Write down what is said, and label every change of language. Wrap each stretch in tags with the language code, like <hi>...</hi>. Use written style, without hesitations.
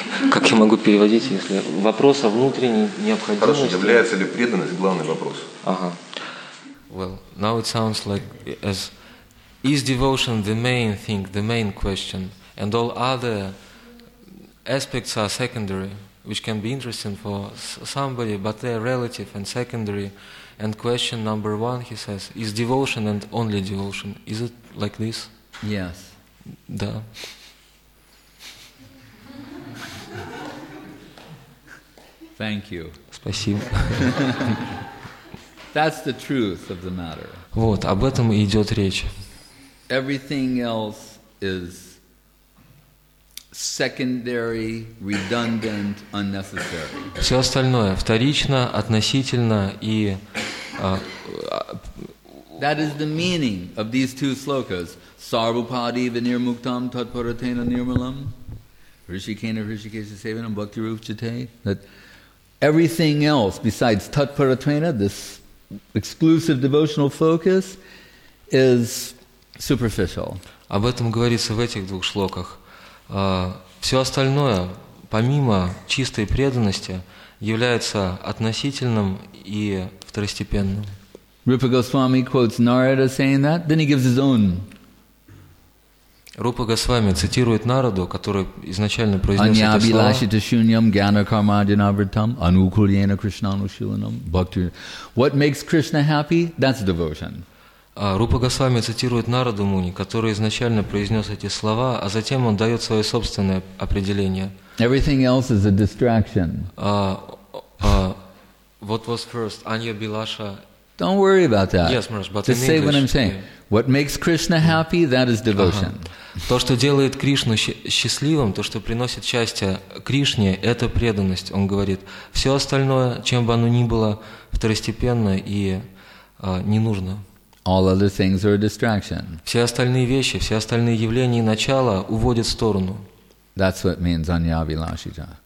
<ru>Как я могу переводить, если вопрос о внутренней необходимости? Хорошо, является ли преданность главный вопрос? Ага.</ru> <en>Well, now it sounds like as is devotion the main thing, the main question, and all other aspects are secondary, which can be interesting for somebody, but they are relative and secondary. And question number one, he says, is devotion and only devotion. Is it like this? Yes.</en> <ru>Да.</ru> <en>Thank you.</en> <ru>Спасибо.</ru> <en>That's the truth of the matter.</en> <ru>Вот, об этом и идет речь.</ru> <en>Everything else is secondary, redundant, unnecessary.</en> <ru>Все остальное вторично, относительно и</ru> <en>That is the meaning of these two slokas.</en> <sa>Sarvapadi vinirmuktam tatparatena nirmalam. Rishikena rishikesha sevanam bhakti roop chate.</sa> <en>That everything else besides tatparatvena, this exclusive devotional focus, is superficial.</en> <ru>Об этом говорится в этих двух шлоках. Все остальное помимо чистой преданности, является относительным и второстепенным.</ru> <en>Rupa Goswami quotes Narada saying that, then he gives his own.</en> <ru>Rupa Goswami цитирует Нараду, который изначально произнес это слово.</ru> <sa>Анья абилашита шуньям гьяна кармаджана вритам анукульена кришнанушиланам бхакти.</sa> <en>What makes Krishna happy? That's devotion.</en> <ru>Рупа Госвами цитирует Нараду Муни, который изначально произнес эти слова, а затем он дает свое собственное определение.</ru> <en>Everything else is a distraction. What was first? Anya Bilasha. Don't worry about that. Yes, Maharaj, but just say what I'm saying. What makes Krishna happy, that is devotion.</en> <ru>То, что делает Кришну счастливым, то, что приносит счастье Кришне, это преданность, он говорит. Все остальное, чем бы оно ни было, второстепенно и не нужно.</ru> <en>All other things are a distraction.</en> <ru>Все остальные вещи, все остальные явления и начала уводят в сторону.</ru> <en>That's what means anya abhilashita.</en>